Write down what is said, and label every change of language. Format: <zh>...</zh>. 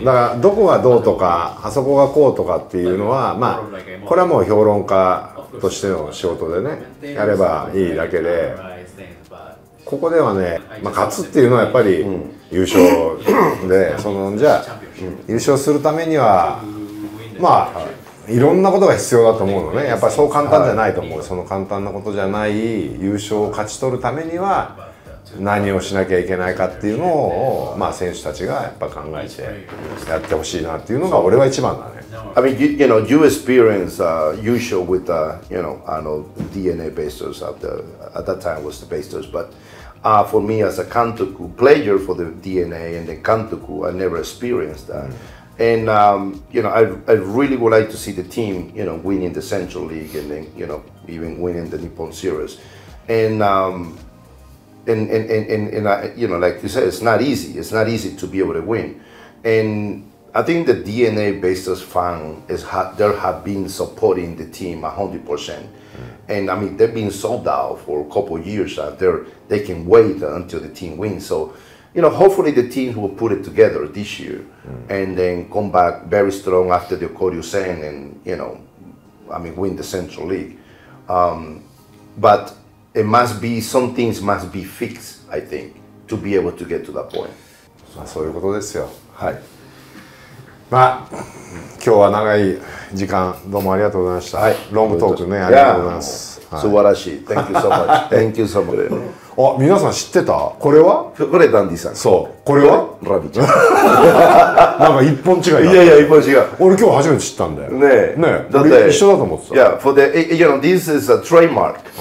<ja>だからどこがどうとか、あそこがこうとかっていうのは、まあこれはもう評論家としての仕事でね、やればいいだけで、ここではね、まあ勝つっていうのはやっぱり、優勝で、そのじゃあ優勝するためにはまあいろんなことが必要だと思うのね。やっぱりそう簡単じゃないと思う。その簡単なことじゃない、優勝を勝ち取るためには何をしなきゃいけないかっていうのを、まあ選手たちがやっぱ考えてやってほしいなっていうのが俺は一番だね。</ja> <en>I mean, you know, you experience 優勝 with you know, あの DeNA Bestos at that time was the Bestos, butfor me as a Kantoku player for the DeNA and the Kantoku, I never experienced that. And, you know, I really would like to see the team, you know, winning the Central League and then, you know, even winning the Nippon Series. And you know, like you said, it's not easy. It's not easy to be able to win. And I think the DeNA Bestos fan, they have been supporting the team 100%. And I mean, they've been sold out for a couple of years, and they can wait until the team wins. So, you know, hopefully the team will put it together this year and then come back very strong after the Koryu-sen and, you know, I mean, win the Central League. But it must be, some things must be fixed, I think, to be able to get to that point.</en> <ja>そういうことですよ。はい。まあ、今日は長い時間どうもありがとうございました。はい、ロングトークね、ありがとうございます。はい、素晴らしい。</ja> <en>Thank you so much. Thank you so much.</en> <ja>あ、皆さん知ってた？これは？これダンディさん。そう。これは？ラビちゃん。なんか一本違いだ。いやいや、一本違い。俺今日初めて知ったんだよ。ねえ。ねえ。だって一緒だと思ってた。</ja> <en>Yeah, for the, you know, this is a trademark.</en>